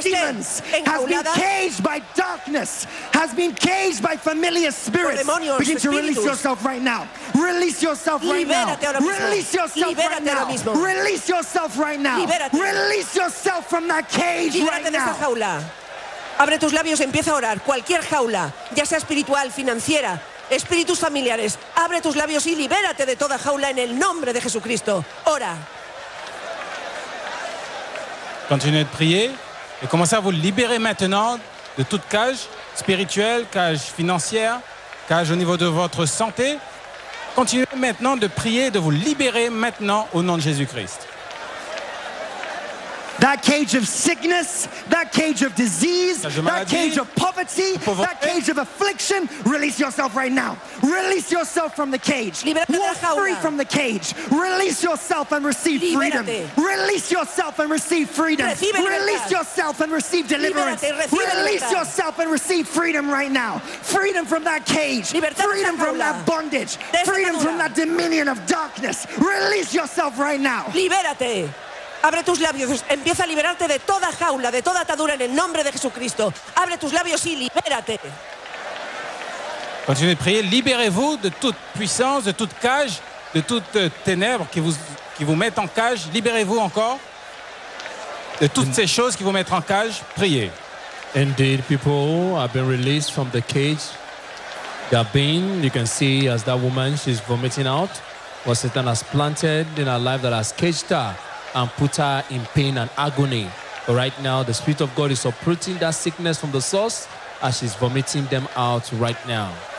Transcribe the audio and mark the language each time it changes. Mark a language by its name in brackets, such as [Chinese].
[English] demons, [Spanish] enjaulada, [English] has been caged by darkness, has been caged by familiar spirits, [Spanish] demonios, [English] begin [Spanish] espíritus. [English] To release yourself right now. Release yourself [Spanish] Libérate [English] right now. Release yourself [Spanish] Libérate [English] right now. [Spanish] Mismo. [English] Release yourself right now. [Spanish] Libérate. [English] Release yourself from that cage [Spanish] Libérate [English] right now. [Spanish] Jaula. Abre tus labios y empieza a orar. Cualquier jaula, ya sea espiritual, financiera, espíritus familiares, abre tus labios y libérate de toda jaula en el nombre de Jesucristo. Ora. [French] Continuez de prier et commencez à vous libérer maintenant de toute cage spirituelle, cage financière, cage au niveau de votre santé. Continuez maintenant de prier, de vous libérer maintenant au nom de Jésus-Christ. [English] That cage of sickness, that cage of disease, [French] maladie, [English] that cage of poverty, that cage of affliction, release yourself right now. Release yourself from the cage. Walk free from the cage. Release yourself and receive [Spanish] Libérate. [English] Freedom. Release yourself and receive freedom. [Spanish] Recibe [English] release [Spanish] libertad. [English] Yourself and receive deliverance. [Spanish] Libérate, recibe [English] release [Spanish] libertad. [English] Yourself and receive freedom right now. Freedom from that cage. [Spanish] Libertad [English] freedom from that bondage. Freedom from that dominion of darkness. Release yourself right now. [Spanish] Libérate. Abre tus labios, empieza a liberarte de toda jaula, de toda atadura en el nombre de Jesucristo. Abre tus labios y libérate. [French] Continuez de prier, libérez-vous de toute puissance, de toute cage, de toute ténèbre qui vous met en cage. Libérez-vous encore de toutes ces choses qui vous mettent en cage. Priez. [English] Indeed, people have been released from the cage. Gabin, you can see as that woman, she's vomiting out. What Satan has planted in her life that has caged her and put her in pain and agony. But right now, the Spirit of God is uprooting that sickness from the source as she's vomiting them out right now.